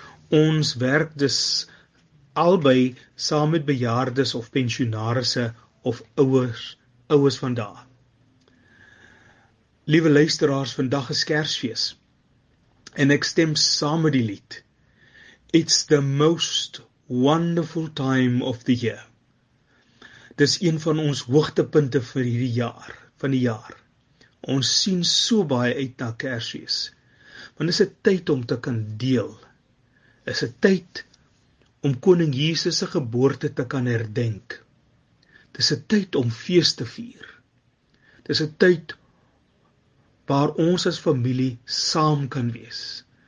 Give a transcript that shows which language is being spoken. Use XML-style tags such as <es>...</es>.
<af>Ons werk dus albei saam met bejaardes of pensionarisse of ouers van daar. Liewe luisteraars, vandag is Kersfees. En ek stem saam met die lied.</af> <en>It's the most wonderful time of the year.</en> <af>Dis een van ons hoogtepunte vir hierdie jaar, van die jaar. Ons sien so baie uit na Kersfees. Want dis 'n tyd om te kan deel. Is 'n tyd om Koning Jesus se geboorte te kan herdenk. Dis 'n tyd om fees te vier. Dis 'n tyd waar ons as familie saam kan wees.</af>